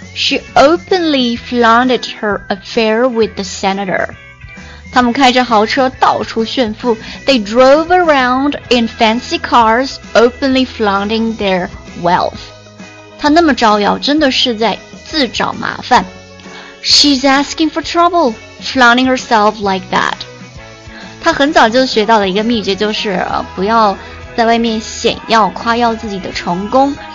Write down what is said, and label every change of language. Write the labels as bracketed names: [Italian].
[English] She openly flaunted her affair with the senator. [Chinese] 他们开着豪车到处炫富。 [English] They drove around in fancy cars, openly flaunting their wealth. [Chinese] 他那么招摇真的是在自找麻烦。 [English] She's asking for trouble, flaunting herself like that. [Chinese] 她很早就学到了一个秘诀，就是不要在外面显耀夸耀自己的成功。